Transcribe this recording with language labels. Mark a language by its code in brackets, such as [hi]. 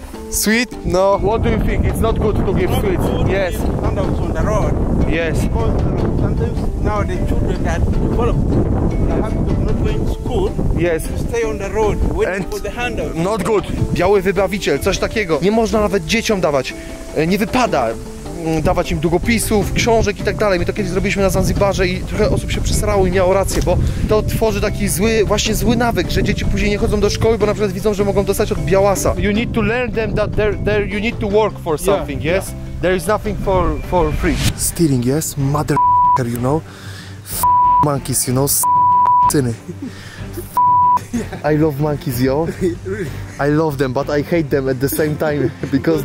[en] Sweet? No. What do you think? It's not good to give sweets. Yes. Sometimes on the road. Yes. Because sometimes now the children that develop, they have to not go in school. Yes. To stay on the road, waiting for the handle. Not good. [pl] Biały wybawiciel, coś takiego. Nie można nawet dzieciom dawać. Nie wypada. Dawać im długopisów, książek i tak dalej. My to kiedyś zrobiliśmy na Zanzibarze i trochę osób się przesrało i miało rację, bo to tworzy taki zły, właśnie zły nawyk, że dzieci później nie chodzą do szkoły, bo na przykład widzą, że mogą dostać od białasa. [en] You need to learn them that there you need to work for something, yeah, yes? Yeah. There is nothing for free. Steering, yes? Motherfucker, you know? F monkeys, you know? Syny. Yeah. I love monkeys, yo. Really? I love them, but I hate them at the same time because